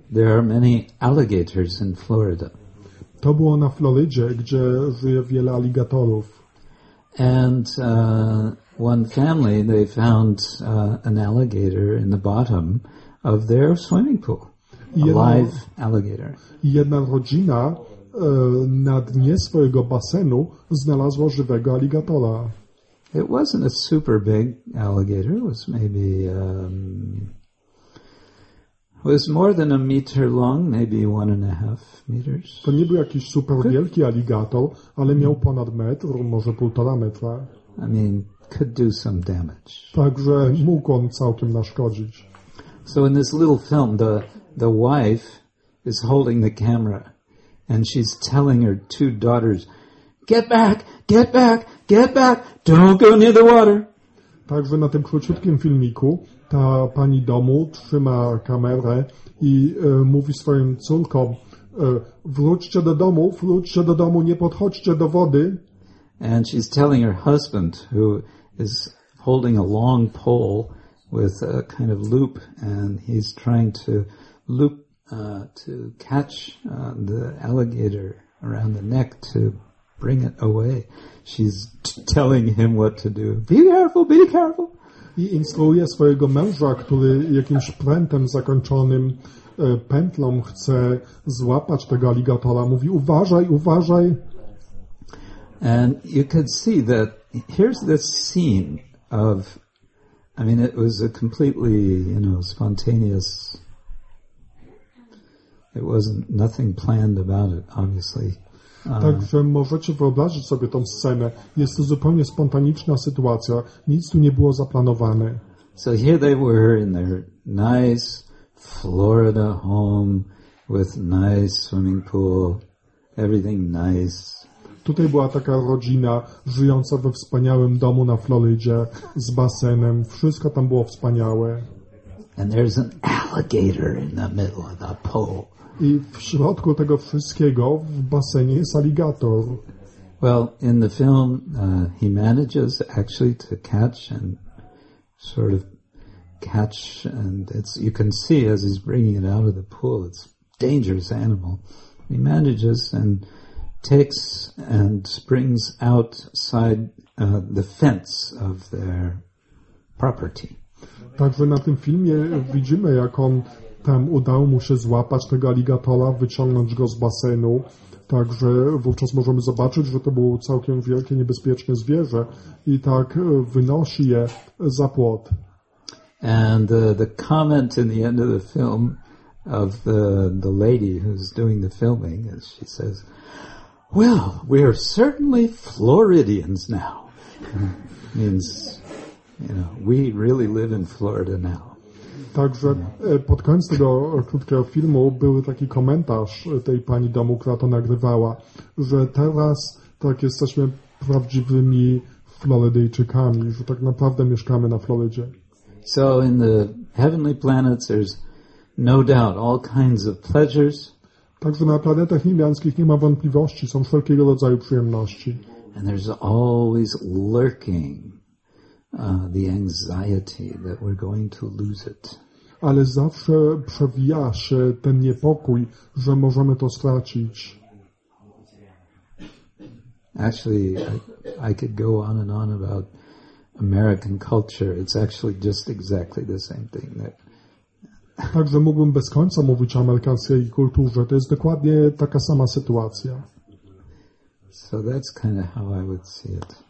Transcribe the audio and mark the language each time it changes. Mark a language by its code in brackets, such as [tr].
[en] There are many alligators in Florida. [pl] To było na Florydzie, gdzie żyje wiele aligatorów. [en] And one family, they found an alligator in the bottom of their swimming pool. Live alligator. [pl] Jedna rodzina na dnie swojego basenu znalazła żywego aligatora. [en] It wasn't a super big alligator. It was maybe was more than a meter long, maybe 1.5 meters. [pl] To nie był jakiś super wielki aligator, ale miał ponad metr, może 1.5 metra. [en] I mean, could do some damage. [pl] Także mógł on całkiem naszkodzić. [en] So in this little film, the wife is holding the camera, and she's telling her two daughters, "Get back! Get back! Get back! Don't go near the water." [pl] Także na tym króciutkim filmiku ta pani domu trzyma kamerę i mówi swoim córkom, wróćcie do domu, wróćcie do domu, nie podchodźcie do wody. [en] And she's telling her husband, who is holding a long pole with a kind of loop, and he's trying to loop to catch the alligator around the neck to bring it away. She's telling him what to do. Be careful, be careful. [pl] I instruuje swojego męża, który jakimś prętem zakończonym pętlą chce złapać tego aligatora. Mówi, uważaj, uważaj. [en] And you could see that here's this scene of, I mean, it was a completely, you know, spontaneous, it wasn't nothing planned about it, obviously. [pl] Także możecie wyobrazić sobie tą scenę. Jest to zupełnie spontaniczna sytuacja. Nic tu nie było zaplanowane. [en] So here they were in their nice Florida home with nice swimming pool, everything nice. [pl] Tutaj była taka rodzina żyjąca we wspaniałym domu na Florydzie z basenem. Wszystko tam było wspaniałe. [en] And there's an alligator in the middle of the pool. [pl] I w środku tego wszystkiego w basenie jest aligator. [en] Well, in the film he manages actually to catch and sort of catch, and it's, you can see as he's bringing it out of the pool, it's a dangerous animal. He manages and takes and springs outside the fence of their property. [pl] Także na tym filmie widzimy, jak on tam udało mu się złapać tego aligatora, wyciągnąć go z basenu. Także wówczas możemy zobaczyć, że to było całkiem wielkie, niebezpieczne zwierzę. I tak wynosi je za płot. [en] And the comment in the end of the film of the lady who's doing the filming is, she says, "Well, we are certainly Floridians now." Means, you know, we really live in Florida now. [pl] Także pod koniec tego krótkiego filmu był taki komentarz tej pani domu, która to nagrywała, że teraz tak jesteśmy prawdziwymi Florydyjczykami, że tak naprawdę mieszkamy na Florydzie. [en] So in the heavenly planets there's no doubt all kinds of pleasures. [pl] Także na planetach niebiańskich nie ma wątpliwości, są wszelkiego rodzaju przyjemności. [en] And there's always lurking the anxiety that we're going to lose it. [pl] Ale zawsze przewija się ten niepokój, że możemy to stracić. [en] Actually, I could go on and on about American culture. It's actually just exactly the same thing. [pl] Także mógłbym bez końca mówić o amerykańskiej kulturze. To jest dokładnie taka sama sytuacja. [en] So that's kind of how I would see it.